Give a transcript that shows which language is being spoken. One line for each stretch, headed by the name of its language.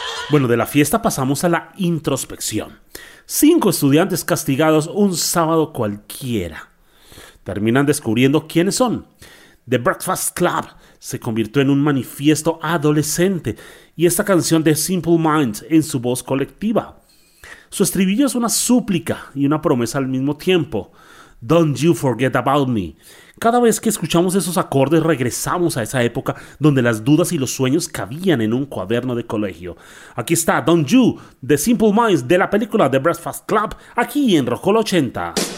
Spanish: Bueno, de la fiesta pasamos a la introspección. 5 estudiantes castigados un sábado cualquiera. Terminan descubriendo quiénes son. The Breakfast Club se convirtió en un manifiesto adolescente y esta canción de Simple Minds en su voz colectiva. Su estribillo es una súplica y una promesa al mismo tiempo.
English: Don't you forget about me.
Spanish: Cada vez que escuchamos esos acordes regresamos a esa época donde las dudas y los sueños cabían en un cuaderno de colegio. Aquí está Don't You, The Simple Minds, de la película The Breakfast Club, aquí en Rockola 80.